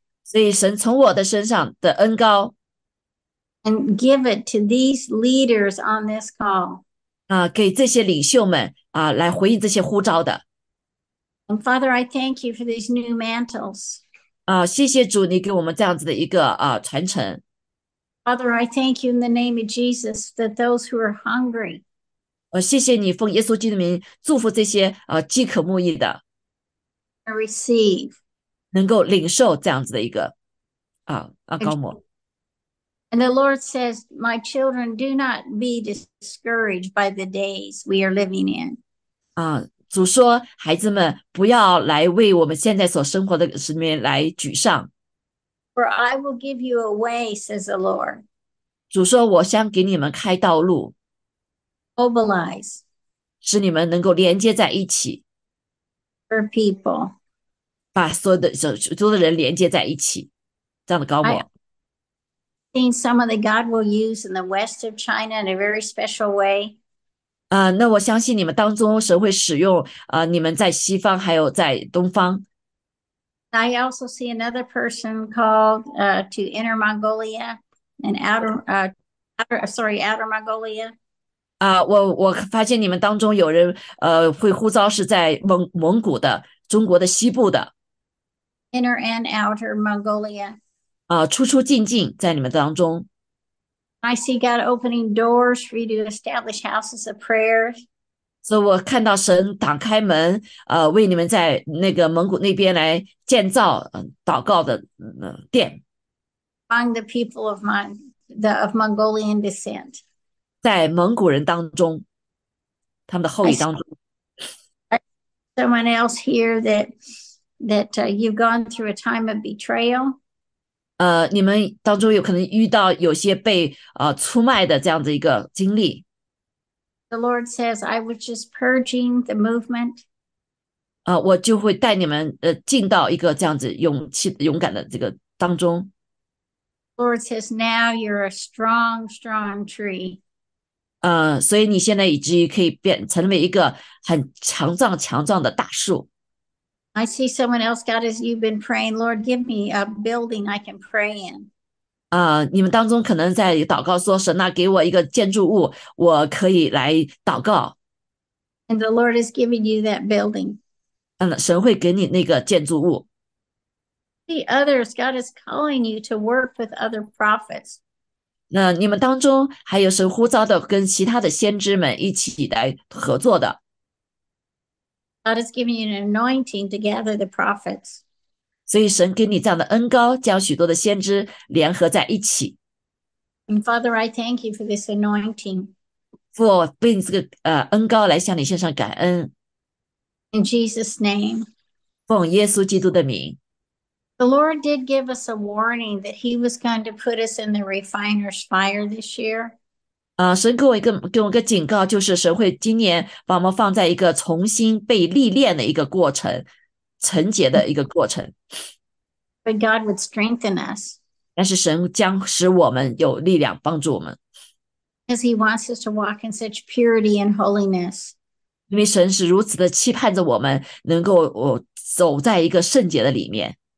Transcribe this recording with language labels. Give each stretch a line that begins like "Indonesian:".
Chinese: 所以神从我的身上的恩膏。
English: And give it to these leaders on this call.
Chinese: 给这些领袖们来回应这些呼召的。
English: And Father, I thank you for these new mantles.
Chinese: 谢谢主你给我们这样子的一个传承。
English: Father, I thank you in the name of Jesus that those who are hungry.
Chinese: 谢谢你奉耶稣基督的名祝福这些饥渴慕义的。
English: Receive.
Chinese: 能够领受这样子的一个膏抹。
English: And the Lord says, my children, do not be discouraged by the days we are living in.
Chinese: 主说孩子们不要来为我们现在所生活的时面来沮丧。
English: For I will give you a way, says the Lord.
Chinese: 主说我想给你们开道路。
English: Mobilize.
Chinese: 使你们能够连接在一起。
English: For people.
Chinese: 把所有的人连接在一起。这样的膏抹。
English: I've seen some of the God will use in the west of China in a very special way.
Chinese: 那我相信你们当中神会使用你们在西方还有在东方。
English: I also see another person called to Inner Mongolia and Outer Mongolia.
Chinese: 我发现你们当中有人会呼召是在蒙古的中国的西部的。
English: Inner and Outer Mongolia.
Chinese: 出出进进在你们当中。
English: I see God opening doors for you to establish houses of prayer.
Chinese: 所以我看到神打开门为你们在那个蒙古那边来建造祷告的殿。
English: Among the people of of Mongolian descent.
Chinese: 在蒙古人当中他们的后裔当中。
English: Someone else here that you've gone through a time of betrayal.
Chinese: 你们当中有可能遇到有些被出卖的这样的一个经历。
English: The Lord says, I was just purging the movement.
Chinese: 我就会带你们进到一个这样子勇敢的这个当中。
English: Lord says, now you're a strong, strong tree.
Chinese: 所以你现在已经可以变成为一个很强壮强壮的大树。
English: I see someone else, God, as you've been praying, Lord, give me a building I can pray in.
Chinese: 你们当中可能在祷告说，神啊，给我一个建筑物，我可以来祷告。
English: And the Lord is giving you that building.
Chinese: 神会给你那个建筑物。
English: See others, God is calling you to work with other prophets.
Chinese: 那你们当中还有神呼召的跟其他的先知们一起来合作的。
English: God is giving you an anointing to gather the prophets.
Chinese: 所以神给你这样的恩膏，将许多的先知联合在一起。
English: And Father, I thank you for this anointing.
Chinese: 父，为你这个恩膏来向你献上感恩。
English: In Jesus' name.
Chinese: 奉耶稣基督的名。
English: The Lord did give us a warning that He was going to put us in the refiner's fire this year.
Chinese: 神给我一个警告，就是神会今年把我们放在一个重新被历练的一个过程，成洁的一个过程。
English: But God would strengthen us.
Chinese: 但是神将使我们有力量帮助我们。
English: Because He wants us to walk in such purity and holiness.
Chinese: 因为神是如此的期盼着我们能够走在一个圣洁的里面。